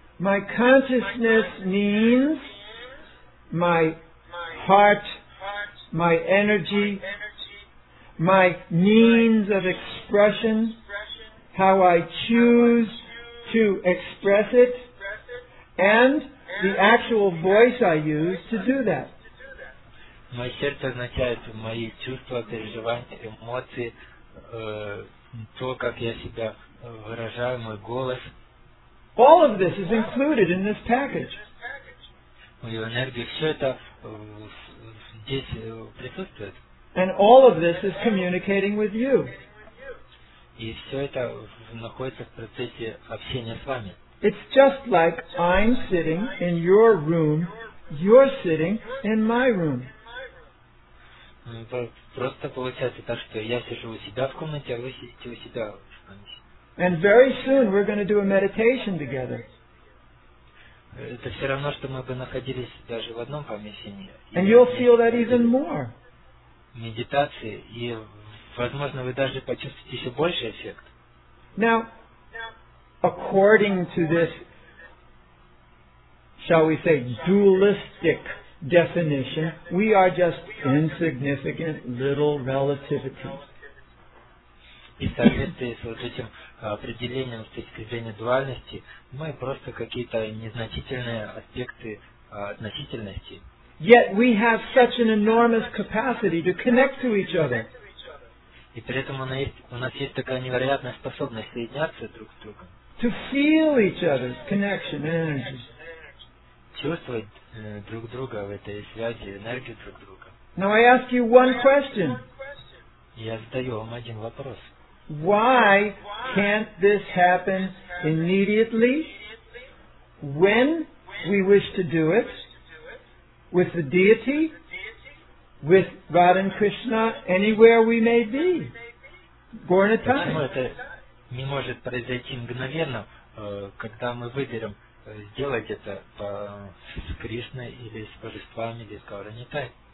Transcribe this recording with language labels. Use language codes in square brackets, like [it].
[en] My consciousness means my heart, my energy, my means of expression, how I choose to express it, and the actual voice I use to do that. [ru] Мое сердце означает мои чувства, переживания, эмоции, то, как я себя выражаю, мой голос. [en] All of this is included in this package. [ru] Мою энергию, все это здесь присутствует. [en] And all of this is communicating with you. [ru] И все это находится в процессе общения с вами. [en] It's just like I'm sitting in your room, you're sitting in my room. [ru] Просто получается так, что я сижу у себя в комнате, а вы сидите у себя в комнате. [en] And very soon we're going to do a meditation together. [ru] Это все равно, что мы бы находились даже в одном помещении. [en] And you'll feel that even more. [ru] Медитации, и, возможно, вы даже почувствуете еще больше эффект. [en] Now, according to this, shall we say, dualistic definition, we are just insignificant little relativity. [ru] И в соответствии с вот этим определением с точки зрения дуальности, мы просто какие-то незначительные аспекты относительности. [en] Yet we have such an enormous capacity to connect to each other. [ru] И при этом у нас есть такая невероятная способность соединяться друг с другом. [en] To feel each other's connection and energy. [ru] Чувствовать друг друга в этой связи, энергию друг друга. [en] Now I ask you one question. [ru] Я задаю вам один вопрос. [en] Why can't this happen immediately when we wish to do it with the deity, with Radha and Krishna, anywhere we may be? Born a time. [ru] Не может произойти мгновенно, когда мы выберем сделать это с Кришной или с Божествами, или с Гауранитай.